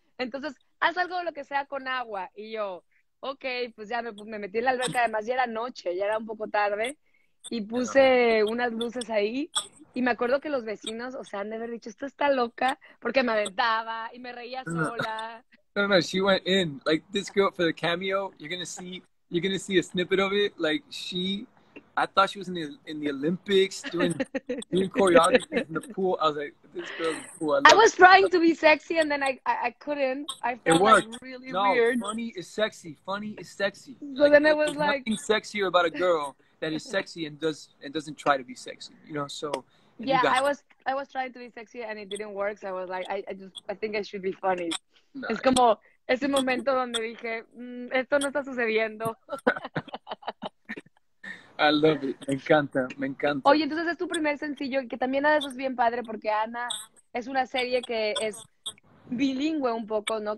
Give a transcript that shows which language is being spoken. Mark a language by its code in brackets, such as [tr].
[es] Entonces, haz algo de lo que sea con agua. Y yo, ok, pues ya me metí en la alberca. Además, ya era noche, ya era un poco tarde. Y puse unas luces ahí. Y me acuerdo que los vecinos, o sea, han de haber dicho, esto está loca, porque me aventaba y me reía sola. [en] No, she went in. Like, this girl, for the cameo, you're gonna see a snippet of it. Like, I thought she was in the Olympics doing choreography in the pool. I was like, this girl is cool. I was trying to be sexy, and then I couldn't. I felt it worked. Like really no, weird. Funny is sexy. So like, then I was like... Nothing sexier about a girl that is sexy and doesn't try to be sexy, you know, so... Yeah, I was trying to be sexy and it didn't work. So I was like, I think I should be funny. Nice. [es] Es como ese momento donde dije, esto no está sucediendo. [en] I love it. [es] Me encanta. Oye, entonces es tu primer sencillo, que también a eso es bien padre porque Ana es una serie que es bilingüe un poco, ¿no?